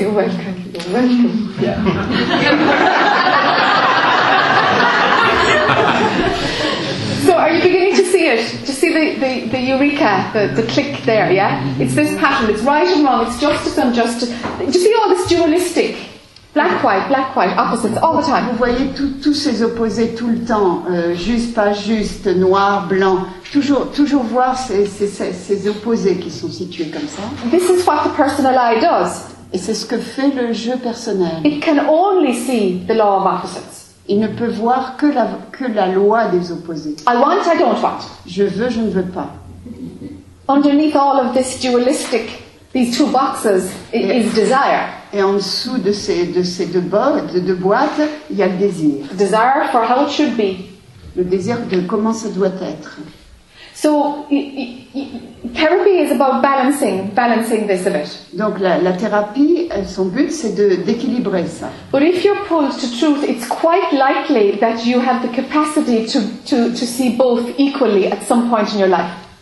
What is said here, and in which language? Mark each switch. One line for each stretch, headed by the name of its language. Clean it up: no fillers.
English: you're welcome. Yeah. the eureka, the click there, yeah? It's this pattern, it's right and wrong, it's justice, unjust. Do you see all this dualistic? Black-white, opposites, all the time.
French: Vous voyez tous ces opposés tout le temps, juste, pas juste, noir, blanc. Toujours voir ces opposés qui sont situés comme ça.
English: This is what the personal eye does.
French: Et c'est ce que fait le jeu personnel.
English: It can only see the law of opposites.
French: Il ne peut voir que la loi des opposés.
English: I want, I don't want.
French: Je veux, je ne veux pas.
English: Underneath all of this dualistic, these two boxes, is desire.
French: Et en dessous de ces deux boîtes, il y a le désir.
English: Desire for how it should be.
French: Le désir de comment ça doit être.
English: So, therapy is about balancing this a bit.
French: Donc la thérapie, son but, c'est d'équilibrer ça.
English: But if you're pulled to truth, it's quite likely that you have the capacity to see both equally at some point in your life.